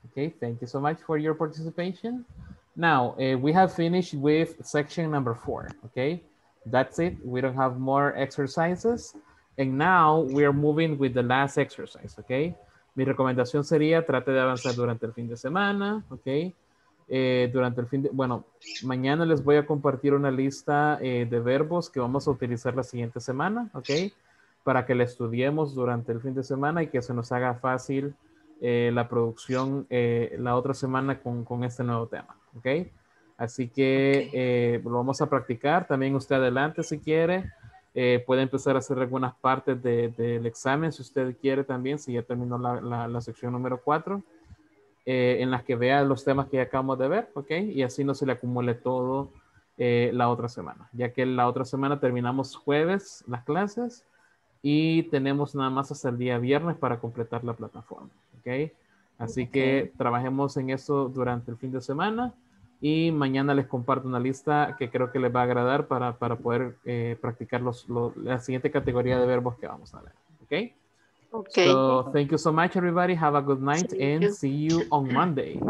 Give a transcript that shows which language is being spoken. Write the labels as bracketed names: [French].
[English] Okay, thank you so much for your participation. Now, we have finished with section number 4, okay? That's it. We don't have more exercises. And now we are moving with the last exercise, okay? [Spanish] Mi recomendación sería trate de avanzar durante el fin de semana, okay? Durante el fin de... Bueno, mañana les voy a compartir una lista de verbos que vamos a utilizar la siguiente semana, okay? Para que la estudiemos durante el fin de semana y que se nos haga fácil la producción la otra semana con este nuevo tema, okay? Así que okay. Lo vamos a practicar. También usted adelante si quiere. Puede empezar a hacer algunas partes del examen si usted quiere también, si ya terminó la sección número 4, en las que vea los temas que ya acabamos de ver, ¿ok? Y así no se le acumule todo la otra semana. Ya que la otra semana terminamos jueves las clases y tenemos nada más hasta el día viernes para completar la plataforma, ¿ok? Así que trabajemos en eso durante el fin de semana y mañana les comparto una lista que creo que les va a agradar para poder practicar la siguiente categoría de verbos que vamos a ver, ¿ok? Okay. [English] So, thank you so much, everybody. Have a good night see you on Monday.